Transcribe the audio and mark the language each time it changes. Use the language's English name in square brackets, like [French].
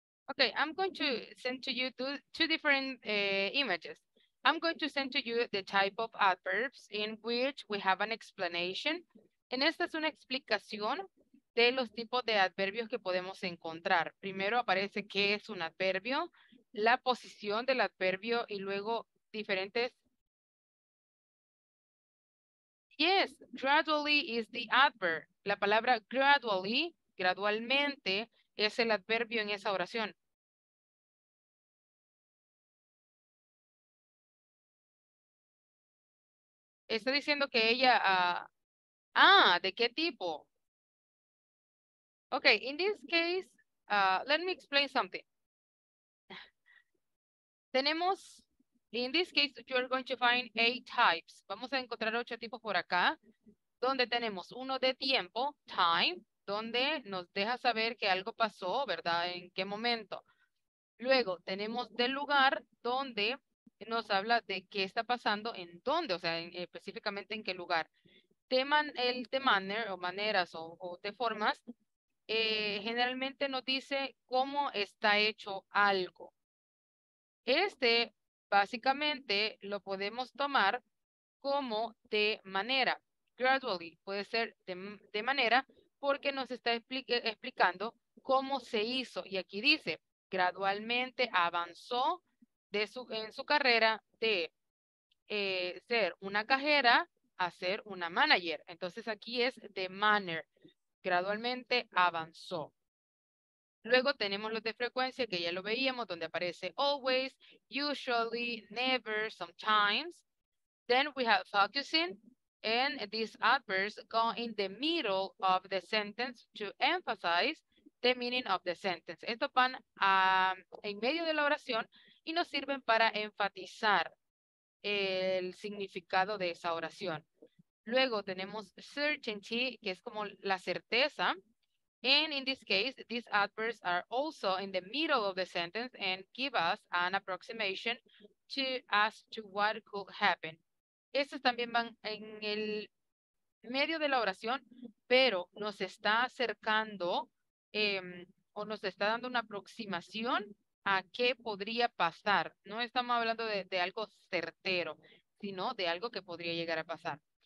[English] Okay, I'm going to send to you two different images. I'm going to send to you the type of adverbs in which we have an explanation. [Spanish] En esta es una explicación de los tipos de adverbios que podemos encontrar. Primero aparece qué es un adverbio, la posición del adverbio y luego diferentes. [English] Yes, gradually is the adverb. [Spanish] La palabra gradually, gradualmente, es el adverbio en esa oración. Está diciendo que ella, ¿de qué tipo? [English] Okay, in this case, let me explain something. [Spanish] Tenemos, [English] in this case, you are going to find 8 types. [Spanish] Vamos a encontrar 8 tipos por acá, donde tenemos uno de tiempo, time, donde nos deja saber que algo pasó, ¿verdad? ¿En qué momento? Luego, tenemos del lugar, donde nos habla de qué está pasando, en dónde, o sea, específicamente en qué lugar. De maneras o de formas, generalmente nos dice cómo está hecho algo. Este, básicamente, lo podemos tomar como de manera. gradually, puede ser de manera, porque nos está explicando cómo se hizo. Y aquí dice, gradualmente avanzó en su carrera de ser una cajera a ser una manager. Entonces aquí es [English] the manner, [Spanish] gradualmente avanzó. Luego tenemos los de frecuencia, que ya lo veíamos, donde aparece always, usually, never, sometimes. [English] Then we have focusing, and these adverbs go in the middle of the sentence to emphasize the meaning of the sentence. [Spanish] Estos van en medio de la oración y nos sirven para enfatizar el significado de esa oración. Luego tenemos certainty, que es como la certeza. [English] And in this case, these adverbs are also in the middle of the sentence and give us an approximation to as to what could happen. [Spanish] Estos también van en el medio de la oración, pero nos está acercando o nos está dando una aproximación a qué podría pasar. No estamos hablando de algo certero, sino de algo que podría llegar a pasar.